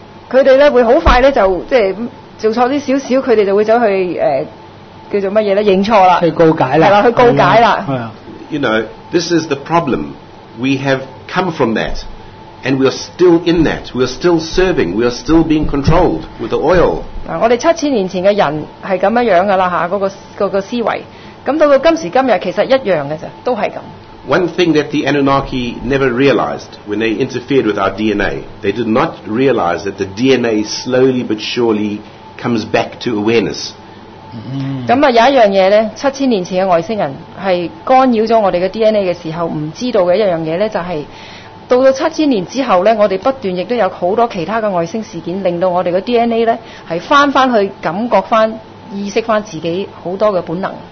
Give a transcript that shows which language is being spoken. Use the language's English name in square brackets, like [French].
[Cantonese] 佢哋咧會好快咧就即係做錯啲少少，佢哋就會走去叫做乜嘢咧？認錯啦，去告解啦，係啦，去告解啦。 [English] You know, this is the problem. We have come from that, and we are still in that. We are still serving. We are still being controlled with the oil. [Cantonese] 我哋七千年前嘅人係咁樣噶啦嚇，那個思維。咁到今時今日，其實一樣嘅啫，都係咁。 [English] One thing that the Anunnaki never realized when they interfered with our DNA, they did not realize that the DNA slowly but surely comes back to awareness. [Cantonese] 咁啊，有一樣嘢咧，七千年前嘅外星人係干擾咗我哋嘅 DNA 嘅時候，唔知道嘅一樣嘢咧，就係到咗七千年之後咧，我哋不斷亦都有好多其他嘅外星事件，令到我哋嘅 DNA 咧係翻去感覺翻、意識翻自己好多嘅本能。